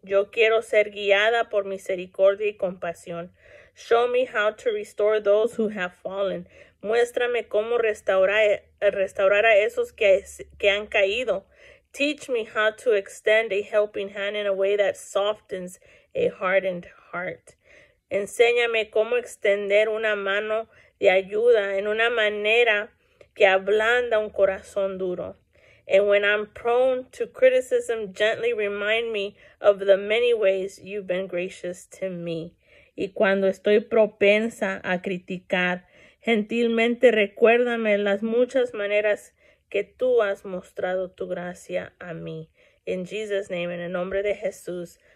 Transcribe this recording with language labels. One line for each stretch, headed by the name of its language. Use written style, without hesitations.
Spanish: Yo quiero ser guiada por misericordia y compasión.
English: Show me how to restore those who have fallen.
Spanish: Muéstrame cómo restaurar a esos que han caído.
English: Teach me how to extend a helping hand in a way that softens a hardened heart.
Spanish: Enséñame cómo extender una mano de ayuda en una manera que ablanda un corazón duro.
English: And when I'm prone to criticism, gently remind me of the many ways you've been gracious to me.
Spanish: Y cuando estoy propensa a criticar, gentilmente recuérdame las muchas maneras que tú has mostrado tu gracia a mí.
English: In Jesus' name,
Spanish: en el nombre de Jesús.